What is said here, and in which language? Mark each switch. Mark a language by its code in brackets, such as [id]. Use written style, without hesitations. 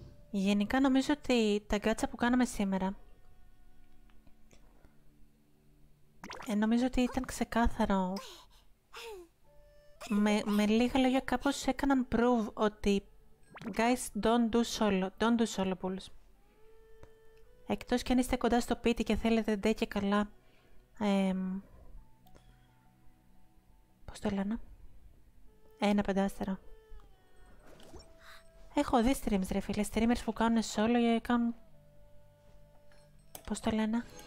[el] Γενικά νομίζω ότι τα γκάτσα που κάναμε σήμερα Νομίζω ότι ήταν ξεκάθαρο. Με λίγα λόγια κάπως έκαναν proof ότι [en] guys, don't do solo, don't do solo pools. [el] Εκτός κι αν είστε κοντά στο πίτι και θέλετε ντε και καλά. Πώς το λένε? Ένα πεντάστερο. Έχω δει streams ρε φίλε, streamers που κάνουν solo ή κάνουν... Πώς το λένε?